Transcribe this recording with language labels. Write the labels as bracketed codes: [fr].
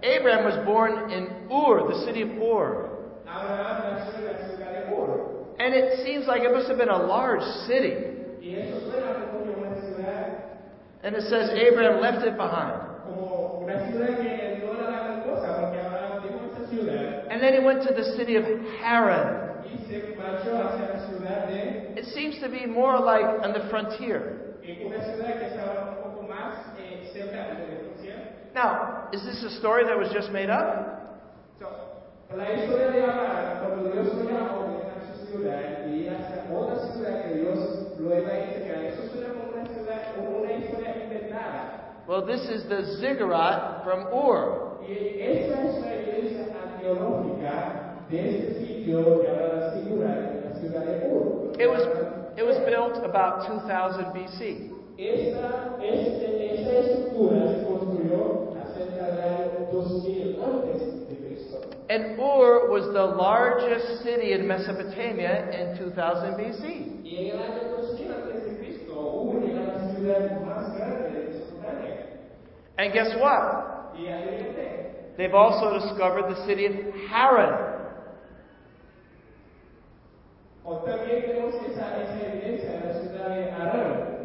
[en] Abraham was born in Ur, the city of Ur. [es] Abraham nació en la ciudad de Ur. [en] And it seems like it must have been a large city. [es] Y eso suena como una ciudad. [en] And it says Abraham left it behind. [es] Como una ciudad que no era la gran cosa, porque Abraham dejó esa ciudad. [en] And then he went to the city of Haran. [es] Y se marchó hacia la ciudad de... [en] It seems to be more like on the frontier. [es] Una ciudad que estaba un poco más cerca de la frontera. [en] Now, is this a story that was just made up? [es] So, la historia de Abraham, cuando Dios lo llamó de su ciudad y hasta otra ciudad que Dios lo iba a entregar, eso suena como una ciudad, como una historia inventada. [en] Well, this is the ziggurat from Ur. [es] Y esta es la iglesia arqueológica de ese sitio llamado la ziggurat, la ciudad de Ur. [en] It was built about 2000 BC. [es] Esa estructura se construyó acerca del año 2000 antes de Cristo. [en] And Ur was the largest city in Mesopotamia in 2000 BC. [es] Y en el año 2000 antes de Cristo, Ur era la ciudad más grande de Mesopotamia. [en] And guess what? [es] Y adivinen. [en] They've also discovered the city of Haran. [es] O también tenemos esa evidencia de la ciudad de Haran.